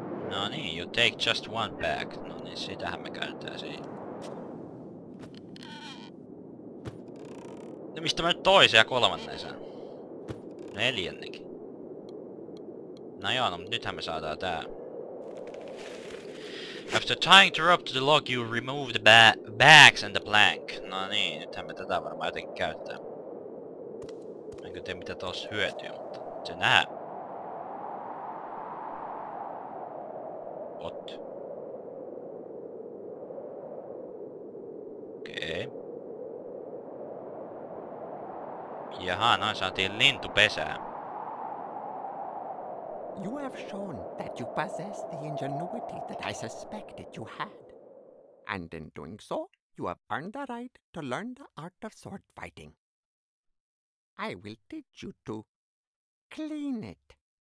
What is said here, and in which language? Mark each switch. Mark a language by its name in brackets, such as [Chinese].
[Finnish] No niin, [English] you take just one back. [Finnish] No niin, sitähän me käytetään siihen. No mistä mä nyt toisen ja kolmannen sen? Neljännenkin. No joo, no nythän me saadaan tää. [English] After tying the rope to the log, you remove the bags and the plank. [Finnish] No niin, nythän me tätä varmaan jotenkin käyttää. Mä en kyllä tiedä mitä tossa hyötyy, mutta se nähdään. Ot. Okei. Okay. Jaha, noin saatiin lintu pesää. [English] You have shown that you possess the ingenuity that I suspected you had. And in doing so, you have earned the right to learn the art of sword fighting. I will teach you to clean it.